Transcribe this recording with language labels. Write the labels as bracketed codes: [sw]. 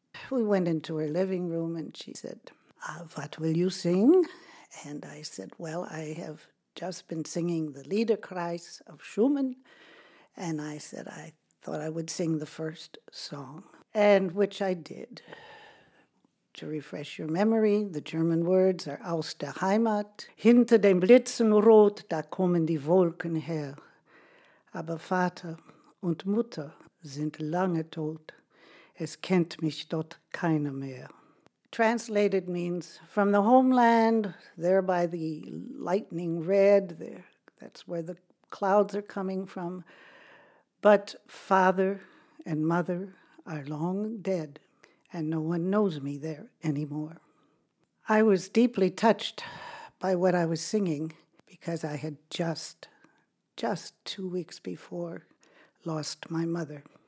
[en] We went into her living room and she said, what will you sing? And I said, well, I have just been singing the Liederkreis of Schumann. And I said, I thought I would sing the first song, and which I did. To refresh your memory, the German words are aus der Heimat. [de] Hinter dem Blitzen rot, da kommen die Wolken her. Aber Vater und Mutter sind lange tot. Es kennt mich dort keiner mehr. [en] Translated means, from the homeland, there by the lightning red, there, that's where the clouds are coming from. But father and mother are long dead. And no one knows me there anymore. I was deeply touched by what I was singing because I had just 2 weeks before lost my mother.